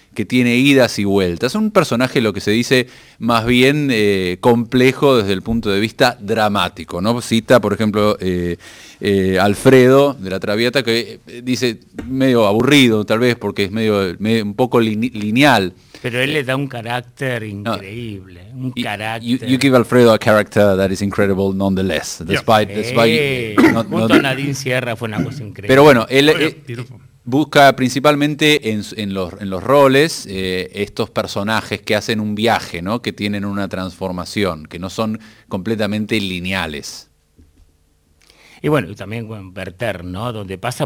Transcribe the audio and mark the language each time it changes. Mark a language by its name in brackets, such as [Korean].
[Spanish] que tiene idas y vueltas. Un personaje, lo que se dice, más bien complejo desde el punto de vista dramático, ¿no? Cita, por ejemplo, Alfredo de La Traviata, que dice medio aburrido, tal vez, porque es medio un poco lineal. Pero él le da un carácter increíble, no, carácter. [English] You give Alfredo a character that is incredible nonetheless, despite... [Spanish] Nadine Sierra fue una cosa increíble. Pero bueno, él busca principalmente en los roles estos personajes que hacen un viaje, ¿no? Que tienen una transformación, que no son completamente lineales. Y bueno, y también con Werther, ¿no? Donde pasa